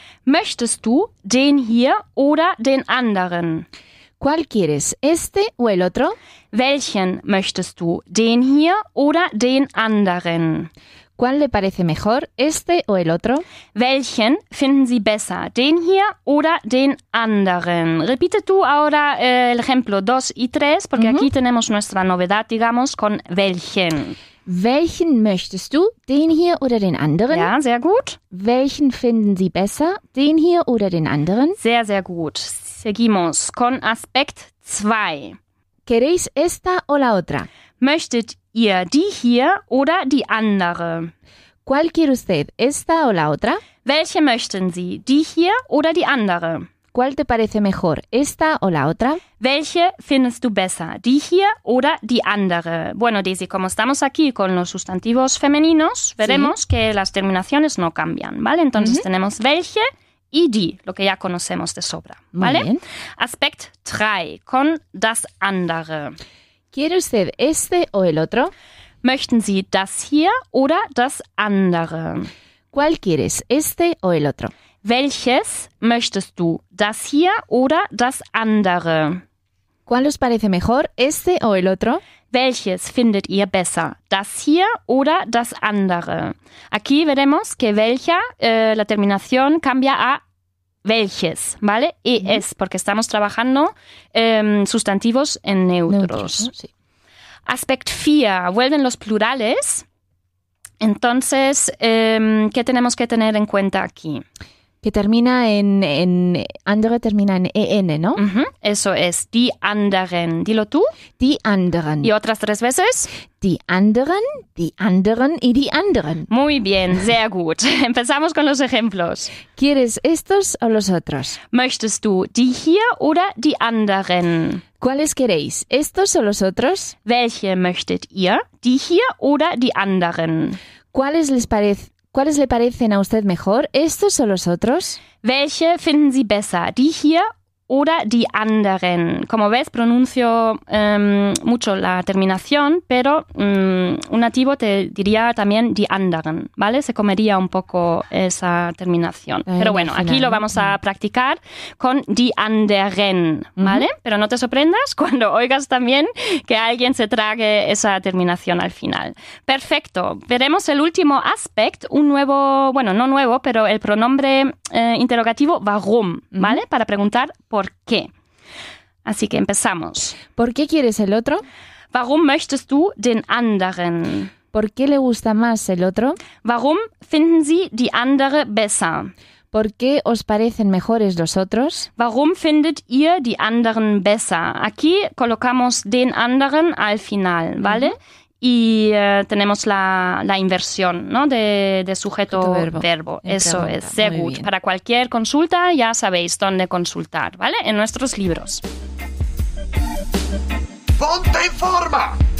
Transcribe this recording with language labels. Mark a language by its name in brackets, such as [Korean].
[German] ¿Möchtest du den hier oder den anderen? [Spanish] ¿Cuál quieres, este o el otro? [German] ¿Welchen möchtest du, den hier oder den anderen? [Spanish] ¿Cuál le parece mejor, este o el otro? [German] ¿Welchen finden Sie besser, den hier oder den anderen? [Spanish] Repite tú ahora el ejemplo 2 y 3, porque uh-huh. aquí tenemos nuestra novedad, digamos, con welchen. [German] Welchen möchtest du, den hier oder den anderen? Ja, sehr gut. Welchen finden Sie besser, den hier oder den anderen? Sehr, sehr gut. [Spanish] seguimos con aspect 2. ¿Queréis esta o la otra? [German] ¿Möchtet ihr die hier oder die andere? [Spanish] ¿Cuál quiere usted, esta o la otra? [German] ¿Welche möchten Sie, die hier oder die andere? [Spanish] ¿Cuál te parece mejor, esta o la otra? [German] ¿Welche findest du besser, die hier oder die andere? [Spanish] Bueno, Daisy, como estamos aquí con los sustantivos femeninos, veremos sí. que las terminaciones no cambian, ¿vale? Entonces uh-huh. tenemos welche y die, lo que ya conocemos de sobra, ¿vale? Muy bien. Aspect 3, con [German] das andere. [Spanish] ¿Quiere usted este o el otro? [German] ¿Möchten Sie das hier oder das andere? [Spanish] ¿Cuál quieres, este o el otro? [German] ¿Welches möchtest du, das hier oder das andere? [Spanish] ¿Cuál os parece mejor, este o el otro? [German] ¿Welches findet ihr besser, das hier oder das andere? [Spanish] Aquí veremos que welcher, la terminación cambia a welches, ¿vale? Y uh-huh. es porque estamos trabajando sustantivos en neutros. Aspect 4, vuelven los plurales. Entonces, ¿qué tenemos que tener en cuenta aquí? Que termina en andere termina en en, ¿no? Uh-huh. Eso es, [German] die anderen. [Spanish] Dilo tú. [German] Die anderen. [Spanish] ¿Y otras tres veces? [German] Die anderen y die anderen. [Spanish] Muy bien, [German] sehr gut. [Spanish] Empezamos con los ejemplos. ¿Quieres estos o los otros? [German] ¿Möchtest du die hier oder die anderen? [Spanish] ¿Cuáles queréis, estos o los otros? [German] ¿Welche möchtet ihr, die hier oder die anderen? [Spanish] ¿Cuáles le parecen a usted mejor, estos o los otros? [German] ¿Welche finden Sie besser, die hier oder die anderen? [Spanish] Como ves, pronuncio mucho la terminación, pero un nativo te diría también [German] die anderen, [Spanish] ¿vale? Se comería un poco esa terminación. Pero bueno, aquí lo vamos a practicar con [German] die anderen, [Spanish] ¿vale? Uh-huh. Pero no te sorprendas cuando oigas también que alguien se trague esa terminación al final. Perfecto. Veremos el último aspect, un nuevo, bueno, no nuevo, pero el pronombre interrogativo warum, ¿vale? Uh-huh. Para preguntar ¿por qué? Así que empezamos. ¿Por qué quieres el otro? [German] Warum möchtest du den anderen? [Spanish] ¿Por qué le gusta más el otro? [German] Warum finden Sie die andere besser? [Spanish] ¿Por qué os parecen mejores los otros? [German] Warum findet ihr die anderen besser? [Spanish] Aquí colocamos [German] den anderen [Spanish] al final, ¿vale? Uh-huh. Y tenemos la inversión, ¿no? De sujeto verbo. Eso es, [German] sehr gut. [Spanish] Para cualquier consulta ya sabéis dónde consultar, ¿vale? En nuestros libros. ¡Ponte en forma!